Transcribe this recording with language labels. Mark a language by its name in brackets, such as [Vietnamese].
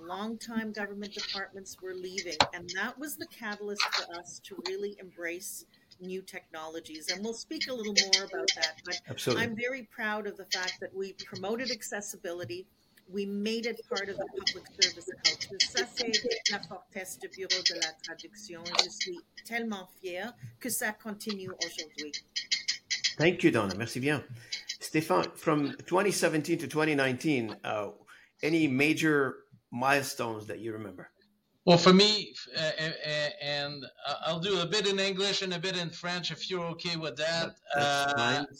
[English] Longtime government departments were leaving, and that was the catalyst for us to really embrace new technologies. And we'll speak a little more about that, but absolutely. I'm very proud of the fact that we promoted accessibility. We made it part of the public service culture. [French] Ça, c'est la fortesse du Bureau de la Traduction. Je suis tellement fière que ça continue aujourd'hui. [English] Thank you, Donna. [French] Merci bien. [English] Stéphane, from 2017 to 2019, any major milestones that you remember? Well, for me, and I'll do a bit in English and a bit in French, if you're okay with that.